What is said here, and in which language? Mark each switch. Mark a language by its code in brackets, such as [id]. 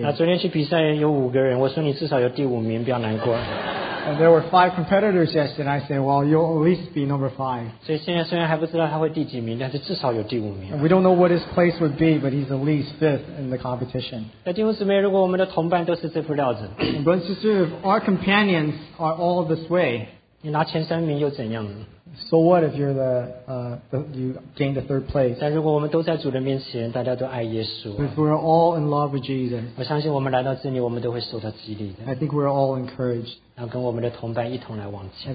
[zh] 那昨天去比赛有五个人，我说你至少有第五名，不要难过。 [en] And there were five competitors yesterday, and I said, well, you'll at least be number five. [zh] 所以现在虽然还不知道他会第几名，但是至少有第五名。 [en] And we don't know what his place would be, but he's at least fifth in the competition. [zh] 那弟兄姊妹，如果我们的同伴都是这副料子 [en] ，Brothers and sisters, if our companions are all this way, [zh] 你拿前三名又怎样 [en] ？So what if you're you gain the third place? [zh] 但如果我们都在主的面前，大家都爱耶稣 [en] ，If we're all in love with Jesus, [zh] 我相信我们来到这里，我们都会受到激励的。 [en] I think we're all encouraged. [zh] 然后跟我们的同伴一同来往前。